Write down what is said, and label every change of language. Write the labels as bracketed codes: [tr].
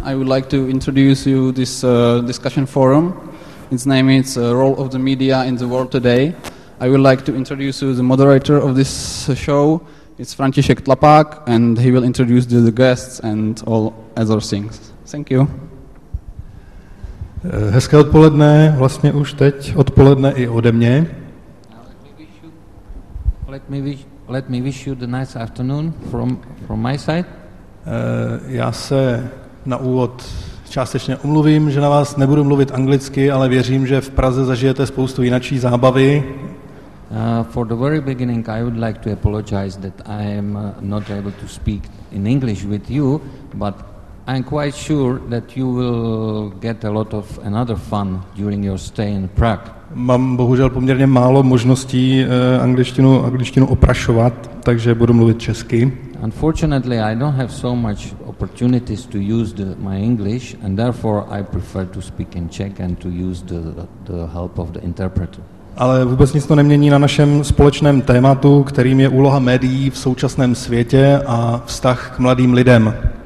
[en] I would like to introduce you this discussion forum. Its name is Role of the Media in the World Today. I would like to introduce you the moderator of this show. It's František Tlapák, and he will introduce the guests and all other things. Thank you. [cs] Hezké odpoledne, vlastně už teď odpoledne i ode mě. [en] Let me wish you the nice afternoon from my side. [cs] Já se na úvod částečně omluvím, že na vás nebudu mluvit anglicky, ale věřím, že v Praze zažijete spoustu jinačí zábavy. [en] For the very beginning, I would like to apologize that I am not able to speak in English with you, but I'm quite sure that you will get a lot of another fun during your stay in Prague. [cs] Mám bohužel poměrně málo možností angličtinu oprašovat, takže budu mluvit česky. [en] Unfortunately, I don't have so much opportunities to use my English, and therefore I prefer to speak in Czech and to use the help of the interpreter. [cs] Ale vůbec nic to nemění na našem společném tématu, kterým je úloha médií v současném světě a vztah k mladým lidem.